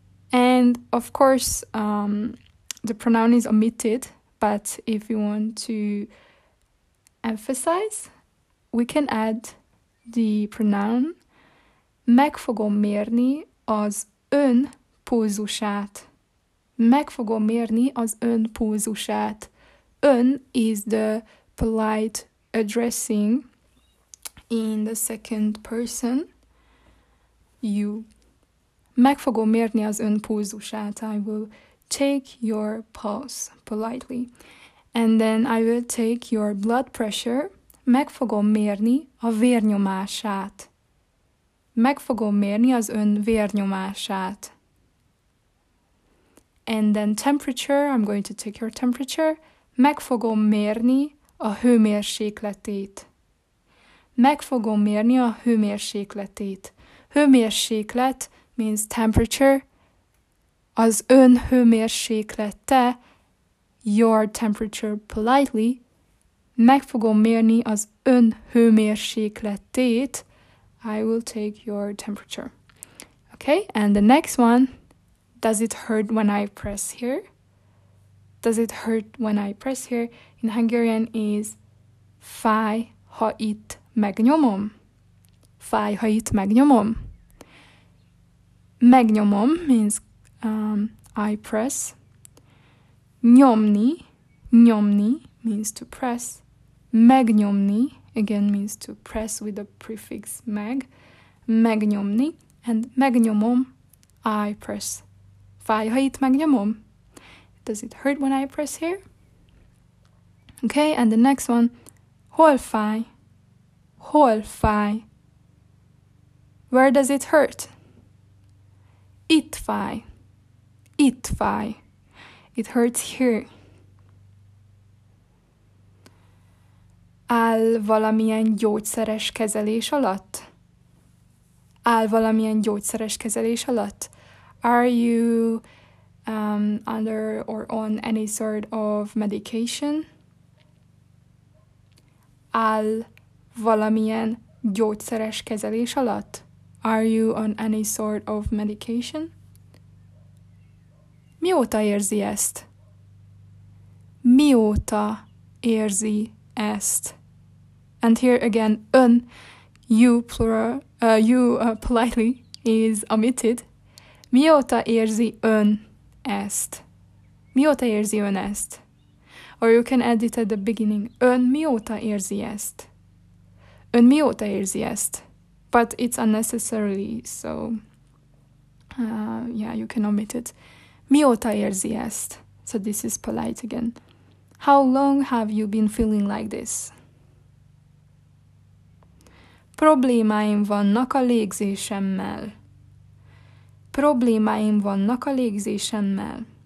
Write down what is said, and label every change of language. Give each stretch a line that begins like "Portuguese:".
English: And of course, the pronoun is omitted, but if you want to emphasize, we can add the pronoun
Hungarian: meg fogom mérni az ön pulzusát. Meg fogom mérni az ön pulzusát.
English: Ön is the polite addressing in the second person, you.
Hungarian: Meg fogom mérni az ön pulzusát.
English: I will take your pulse politely. And then I will take your blood pressure.
Hungarian: Meg fogom mérni a vérnyomását. Meg fogom mérni az ön vérnyomását.
English: And then temperature, I'm going to take your temperature.
Hungarian: Meg fogom mérni a hőmérsékletét. Meg fogom mérni a hőmérsékletét. Hőmérséklet
English: means temperature.
Hungarian: Az ön hőmérséklete,
English: your temperature politely,
Hungarian: meg fogom mérni az ön hőmérsékletét,
English: I will take your temperature. Okay, and the next one, does it hurt when I press here? Does it hurt when I press here? In Hungarian is
Hungarian: fáj, ha itt megnyomom.
English: Fáj, ha itt megnyomom. Megnyomom means I press. Nyomni, nyomni means to press. megnyomni, again means to press with the prefix meg, megnyomni, and megnyomom, I press.
Hungarian: Fáj, ha itt megnyomom?
English: Does it hurt when I press here? Okay, and the next one,
Hungarian: hol fáj? Hol fáj?
English: Where does it hurt?
Hungarian: Itt fáj. Itt fáj.
English: It hurts here.
Hungarian: Áll valamilyen gyógyszeres kezelés alatt? Áll valamilyen gyógyszeres kezelés alatt?
English: Are you under or on any sort of medication?
Hungarian: Áll valamilyen gyógyszeres kezelés alatt?
English: Are you on any sort of medication?
Hungarian: Mióta érzi ezt? Mióta érzi ezt?
English: And here again, ön, you plural, politely is omitted.
Hungarian: Mióta érzi ön ezt? Mióta érzi ön ezt?
English: Or you can add it at the beginning.
Hungarian: Ön mióta érzi ezt? Ön mióta érzi ezt?
English: But it's unnecessarily, so yeah, you can omit it.
Hungarian: Mióta érzi ezt?
English: So this is polite again. How long have you been feeling like this?
Hungarian: Problémáim vannak a légzésemmel. Problémáim vannak a légzésemmel.